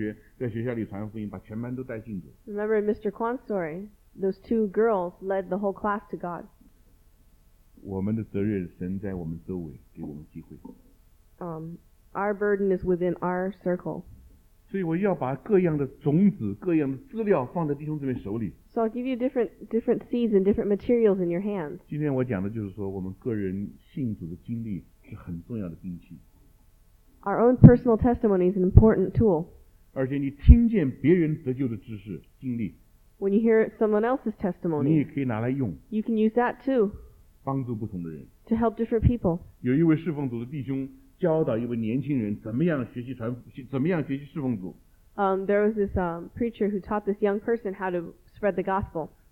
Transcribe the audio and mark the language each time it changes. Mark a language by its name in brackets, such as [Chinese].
[Chinese] 你记不记得刚才我说那个故事？关弟兄两个女，他们同学两个女同学在学校里传福音，把全班都带信主。 [English] Remember in Mr. Kwan's story, those two girls led the whole class to God. [Chinese] 我们的责任，神在我们周围给我们机会。 [English] Our burden is within our circle. [Chinese] 所以我要把各样的种子、各样的资料放在弟兄姊妹手里。 [English] So I'll give you different seeds and different materials in your hands. [Chinese] 今天我讲的就是说，我们个人信主的经历是很重要的兵器。 [English] Our own personal testimony is an important tool. [Chinese] 而且你听见别人得救的知识经历， [English] When you hear someone else's testimony, [Chinese] 你也可以拿来用。 [English] You can use that too. [Chinese] 帮助不同的人。 [English] To help different people. [Chinese] 有一位侍奉主的弟兄教导一位年轻人怎么样学习侍奉主。 [English] There was this preacher who taught this young person how to spread the gospel.